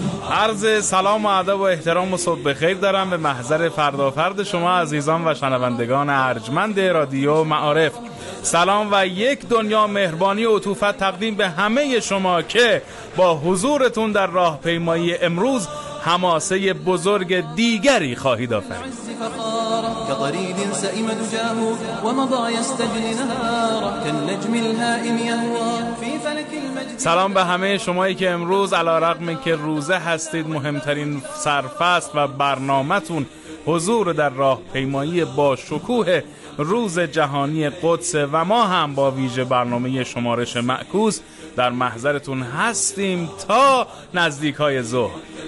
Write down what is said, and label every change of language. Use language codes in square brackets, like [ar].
[fa] عرض سلام و ادب و احترام و صبح بخیر دارم به محضر فردا فرد شما عزیزان و شنوندگان ارجمند رادیو معارف. سلام و یک دنیا مهربانی و عطوفت تقدیم به همه شما که با حضورتون در راه پیمایی امروز حماسه بزرگ دیگری خواهید آفرید. [ar] كطريد سائم دجاه ومضى يستجني نهارا كالنجم الهائم يهوى في فلك المجد. [fa] سلام به همه شمایی که امروز علارغم که روزه هستید، مهمترین سرفصل و برنامه‌تون حضور در راه پیمایی با شکوه روز جهانی قدس و ما هم با ویژه برنامه شمارش معکوس در محضرتون هستیم تا نزدیک های ظهر.